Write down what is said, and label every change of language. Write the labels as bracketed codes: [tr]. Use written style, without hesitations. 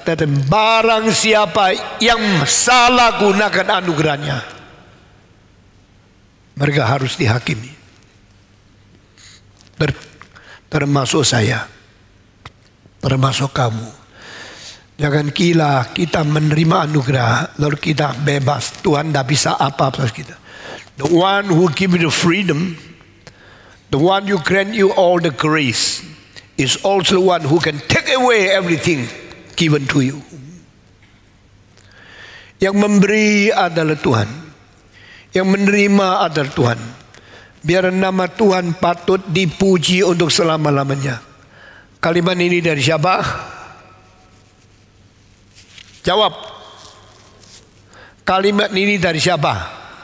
[id] Tetapi barang siapa yang salah gunakan anugerahnya, mereka harus dihakimi. Termasuk saya, termasuk kamu. Jangan kira kita menerima anugerah lalu kita bebas. Tuhan tidak bisa apa-apa kita. [en] The one who give you the freedom, the one who grant you all the grace, is also the one who can take away everything given to you. [id] Yang memberi adalah Tuhan. Yang menerima adalah Tuhan. Biar nama Tuhan patut dipuji untuk selama-lamanya. Kalimat ini dari siapa? Jawab. Kalimat ini dari siapa?